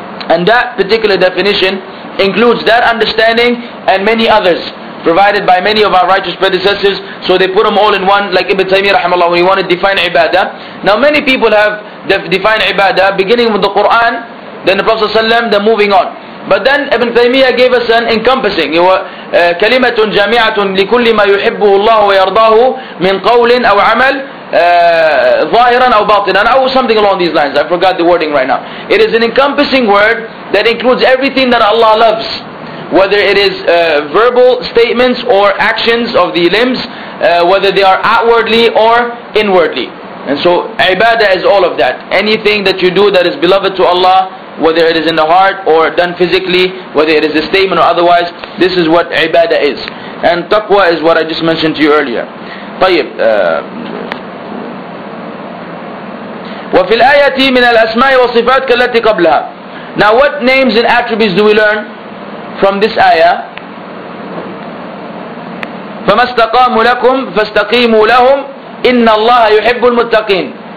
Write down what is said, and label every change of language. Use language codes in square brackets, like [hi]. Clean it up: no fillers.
[en] And that particular definition includes that understanding and many others provided by many of our righteous predecessors. So they put them all in one, like Ibn Taymiyyah rahimahullah, when he wanted to define ibadah. Now many people have defined ibadah beginning with the Quran, then the Prophet sallam, then moving on. But then Ibn Taymiyyah gave us an encompassing. It was [ar] كلمة جامعة لكل ما يحبه الله ويرضاه من قول أو عمل ظاهرا أو باطنا أو [en] something along these lines. I forgot the wording right now. It is an encompassing word that includes everything that Allah loves, whether it is verbal statements or actions of the limbs, whether they are outwardly or inwardly. And so ibadah is all of that. Anything that you do that is beloved to Allah, whether it is in the heart or done physically, whether it is a statement or otherwise, this is what ibadah is. And taqwa is what I just mentioned to you earlier. [ar] طيب وفي الآية من الأسماء والصفات كالتي قبلها. [en] Now what names and attributes do we learn from this ayah? [ar] فما استقاموا لكم فاستقيموا لهم إن الله يحب المتقين.